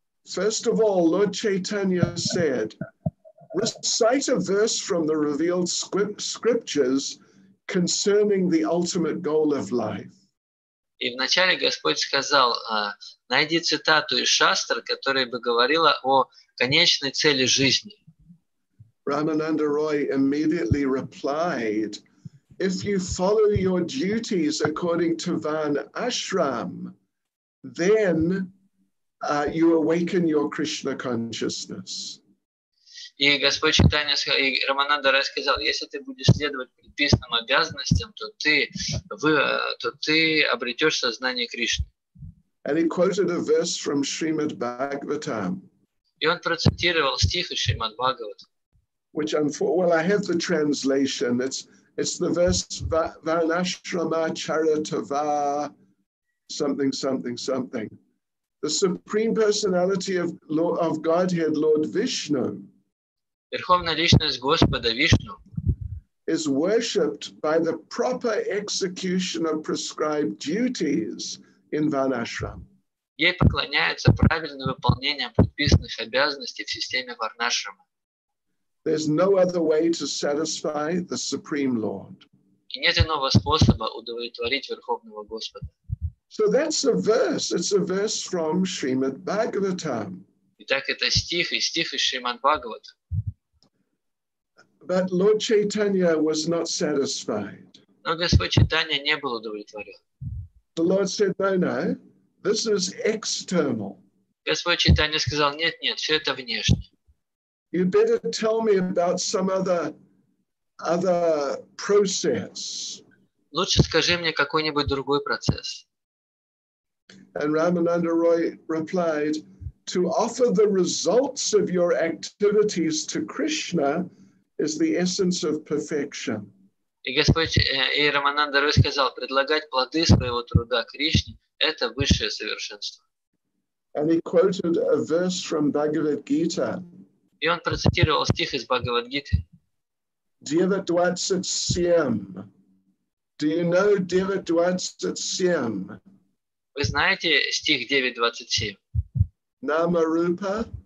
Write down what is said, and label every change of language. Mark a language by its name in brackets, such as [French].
[English] First of all, Lord Chaitanya said, "Recite a verse from the revealed scriptures concerning the ultimate goal of life." [Russian] И вначале Господь сказал, найди цитату из шастр, которая бы говорила о конечной цели жизни. [English] Рамананда Рой immediately replied, "If you follow your duties according to Van Ashram, then you awaken your Krishna consciousness." [Russian] И Господь Чайтанья и Рамананда Рай сказал, если ты будешь следовать предписанным обязанностям, то ты обретешь сознание Кришны. [English] And he quoted a verse from Srimad Bhagavatam. [Russian] И он процитировал стих из Шримад Бхагаватам. [English] Which well, I have the translation. It's the verse Varnashrama Charitava something something something. The supreme personality of Godhead, Lord Vishnu. [Russian] Верховная личность Господа Вишну. [English] Is worshipped by the proper execution of prescribed duties in Varnashram. [Russian] Ей поклоняется правильное выполнение предписанных обязанностей в системе Варнашрама. [English] There's no other way to satisfy the Supreme Lord. [Russian] И нет иного способа удовлетворить Верховного Господа. [English] So that's a verse. It's a verse from Srimad Bhagavatam. [Russian] Итак, это стих, и стих из Шримад Бхагаватам. [English] But Lord Chaitanya was not satisfied. [Russian] Но Господь Чайтанья не был удовлетворен. [English] The Lord said, no, no, this is external. [Russian] Господь Чайтанья сказал, нет, нет, все это внешне. [English] You better tell me about some other process. [Russian] Лучше скажи мне какой-нибудь другой процесс. [English] And Рамананда Рой replied, to offer the results of your activities to Krishna is the essence of perfection. [Russian] И Господь, и Рамананда Рой сказал, предлагать плоды своего труда Кришне – это высшее совершенство. [English] And he quoted a verse from Bhagavad Gita. [Russian] И он процитировал стих из Бхагавад-гиты. [English] Дева 27. Do you know Дева 27? [Russian] Вы знаете стих 9.27? Нама Рупа?